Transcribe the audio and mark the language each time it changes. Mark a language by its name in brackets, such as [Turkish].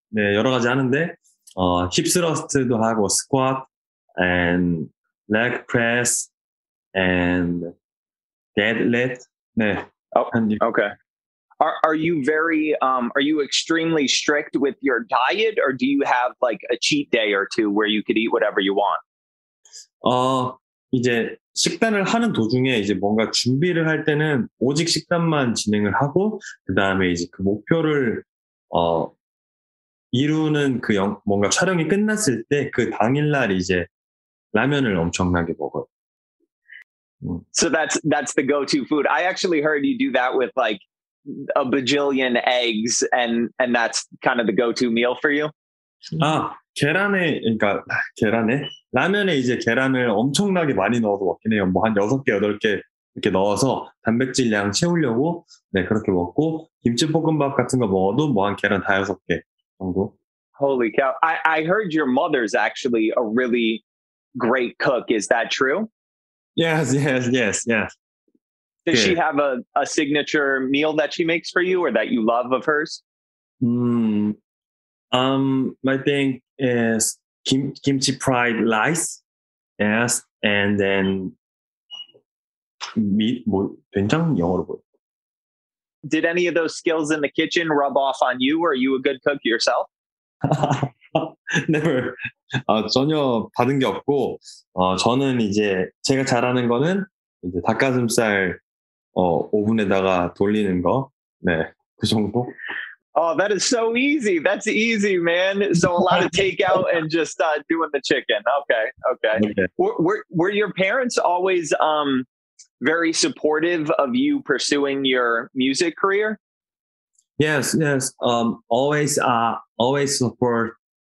[Korean] 네, 여러 가지 하는데 힙 스러스트도 하고 [English] squat and leg press and deadlift. [Korean] 네. [English] Oh, okay. Are you very are you extremely strict with your diet, or do you have like a cheat day or two where you could eat whatever you want? [Korean] 이제 식단을 하는 도중에 이제 뭔가 준비를 할 때는 오직 식단만 진행을 하고, 그 다음에 이제 그 목표를, 이루는 그 뭔가 촬영이 끝났을 때 그 당일날 이제 라면을 엄청나게 먹어요. [English] So that's the go-to food. I actually heard you do that with like a bajillion eggs and that's kind of the go-to meal for you? [Korean] 아, 계란에, 그러니까, 계란에? 라면에 이제 계란을 엄청나게 많이 넣어서 먹긴 해요. 뭐 한 6개, 8개 이렇게 넣어서 단백질 양 채우려고 네, 그렇게 먹고 김치볶음밥 같은 거 먹어도 뭐 한 계란 다 6개 정도. [English] Holy cow. I heard your mother's actually a really great cook. Is that true? Yes. Does she have a signature meal that she makes for you or that you love of hers? My thing is kimchi fried rice, yes, and then meat. [Korean] 뭐 된장 영어로 보여. [English] Did any of those skills in the kitchen rub off on you, or are you a good cook yourself? Never. [Korean] 전혀 받은 게 없고, 저는 이제 제가 잘하는 거는 이제 닭가슴살 오븐에다가 돌리는 거, 네, 그 정도. [English] Oh, that is so easy. That's easy, man. So a lot of takeout and just doing the chicken. Okay. Okay. Were your parents always very supportive of you pursuing your music career? Yes. Always support.